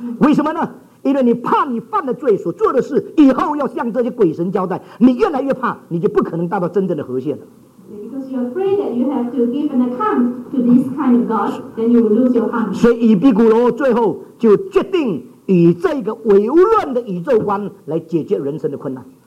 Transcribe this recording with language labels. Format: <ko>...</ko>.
<zh>为什么呢？因为你怕你犯了罪所做的事，以后要向这些鬼神交代，你越来越怕，你就不可能达到真正的和谐了。</zh> <en>Because you're afraid that you have to give an account to this kind of God, then you will lose your harmony.</en> <zh>所以，以比古罗最后就决定以这个唯物论的宇宙观来解决人生的困难。</zh>